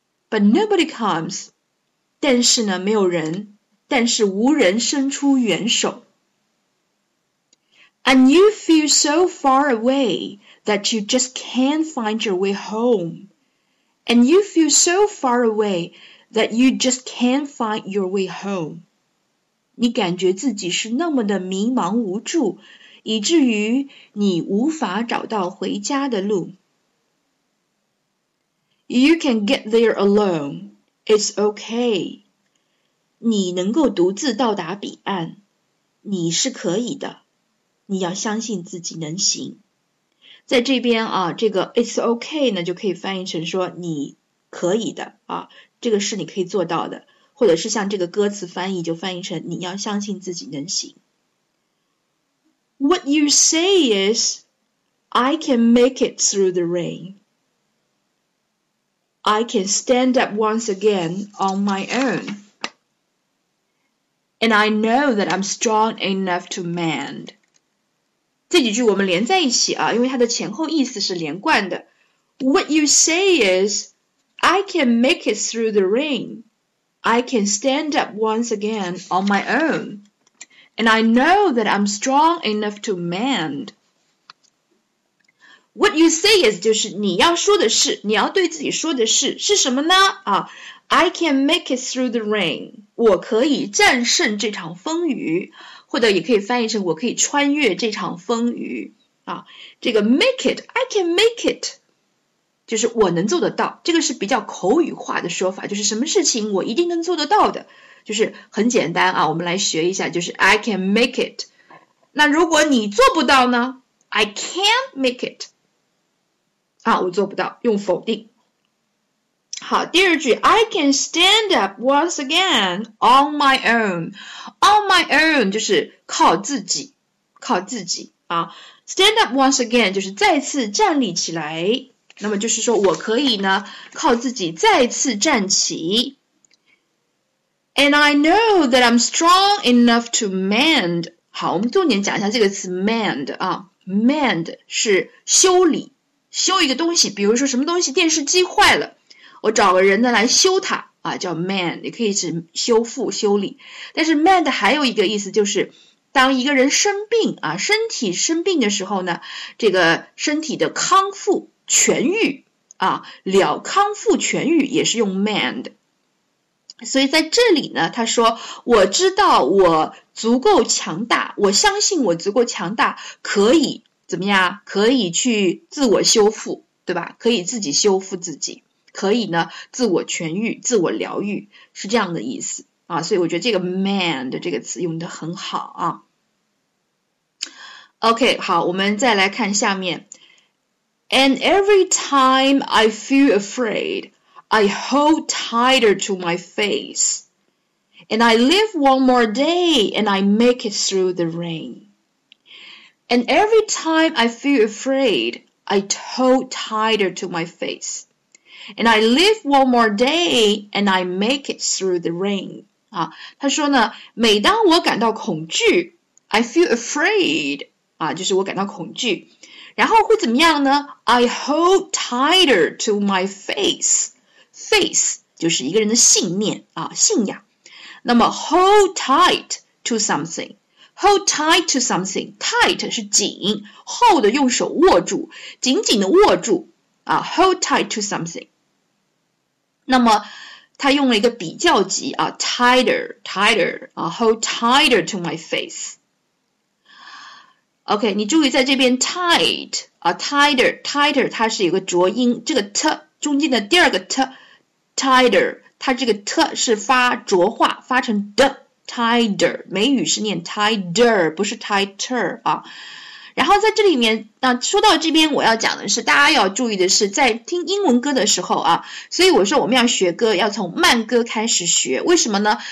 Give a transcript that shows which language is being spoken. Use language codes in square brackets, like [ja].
[en] But nobody comes, [zh] 但是呢，没有人，但是无人伸出援手。 [en] And you feel so far away that you just can't find your way home. And you feel so far away that you just can't find your way home。 [zh] 你感觉自己是那么的迷茫无助，以至于你无法找到回家的路。 [en] You can get there alone, it's okay。 [zh] 你能够独自到达彼岸，你是可以的，你要相信自己能行。在这边啊，这个 [en] it's okay [zh] 呢，就可以翻译成说你可以的啊，这个是你可以做到的，或者是像这个歌词翻译就翻译成你要相信自己能行。 [en] What you say is, I can make it through the rain. I can stand up once again on my own. And I know that I'm strong enough to mend. [zh] 这几句我们连在一起啊，因为它的前后意思是连贯的。 [en] What you say is, I can make it through the rain. I can stand up once again on my own. And I know that I'm strong enough to mend. What you say is, [zh] 就是你要说的是，你要对自己说的是，是什么呢？啊、 [en] I can make it through the rain. [zh] 我可以战胜这场风雨，或者也可以翻译成我可以穿越这场风雨。 [en] 啊，这个 make it, I can make it. [zh] 就是我能做得到，这个是比较口语化的说法，就是什么事情我一定能做得到的。就是很简单啊，我们来学一下，就是 [en] I can make it。 [zh] 那如果你做不到呢 ？ [en] I can't make it。 [zh] 啊，我做不到，用否定。 [en] 好，第二句 ，I can stand up once again on my own。 On my own [zh] 就是靠自己，靠自己啊。 [en] Stand up once again [zh] 就是再次站立起来。那么就是说我可以呢，靠自己再次站起。 [en] And I know that I'm strong enough to mend. [zh] 好，我们重点讲一下这个词 mend 啊 ，mend 是修理，修一个东西，比如说什么东西电视机坏了，我找个人呢来修它啊，叫 mend， 也可以是修复、修理。但是 mend 还有一个意思就是，当一个人生病啊，身体生病的时候呢，这个身体的康复、痊愈啊，了康复、痊愈也是用 mend。所以在这里呢，他说，我知道我足够强大，我相信我足够强大，可以怎么样？可以去自我修复，对吧？可以自己修复自己，可以呢，自我痊愈，自我疗愈，是这样的意思啊。所以我觉得这个 mend 这个词用得很好啊。 OK， 好，我们再来看下面。 [en] And every time I feel afraid,I hold tighter to my face, and I live one more day, and I make it through the rain. And every time I feel afraid, I hold tighter to my face, and I live one more day, and I make it through the rain. [zh] 啊，他说呢，每当我感到恐惧 ， [en] I feel afraid， [zh] 啊，就是我感到恐惧，然后会怎么样呢 [en] ？I hold tighter to my face. [zh] Faith 就是一个人的信念啊，信仰。那么 hold tight to something， hold tight to something， tight 是紧， hold 用手握住，紧紧的握住啊， hold tight to something。那么他用了一个比较级啊， tighter， tighter， 啊， [en] hold tighter to my face。 [zh] OK， 你注意在这边 tight 啊， tighter， tighter， 它是有个浊音，这个 t 中间的第二个 t。 Tighter， 它这个 t 是发浊化，发成 d tighter。美语是念 tighter， 不是 tighter 啊。然后在这里面，那说到这边，我要讲的是，大家要注意的是，在听英文歌的时候啊，所以我说我们要学歌，要从慢歌开始学。为什么呢？